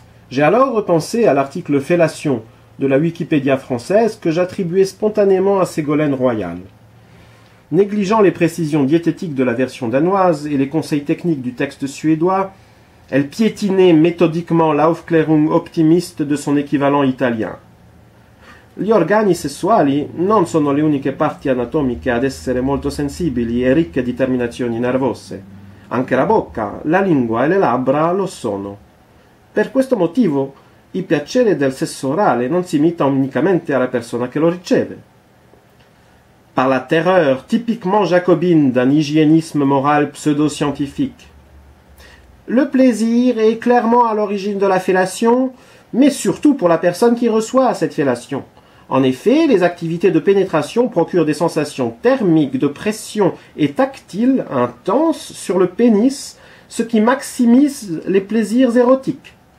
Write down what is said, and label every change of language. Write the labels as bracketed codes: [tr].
[fr] J'ai alors repensé à l'article « Fellation » de la Wikipédia française que j'attribuais spontanément à Ségolène Royal. Négligeant les précisions diététiques de la version danoise et les conseils techniques du texte suédois, elle piétinait méthodiquement l'Aufklärung optimiste de son équivalent italien. [it] Gli organi sessuali non sono le uniche parti anatomiche ad essere molto sensibili e ricche di terminazioni nervose. Anche la bocca, la lingua e le labbra lo sono. Per questo motivo, il piacere del sesso orale non si limita unicamente alla persona che lo riceve. [fr] Par la terreur typiquement jacobine d'un hygiénisme moral pseudo-scientifique. Le plaisir est clairement à l'origine de la fellation, mais surtout pour la personne qui reçoit cette fellation. En effet, les activités de pénétration procurent des sensations thermiques de pression et tactiles intenses sur le pénis, ce qui maximise les plaisirs érotiques.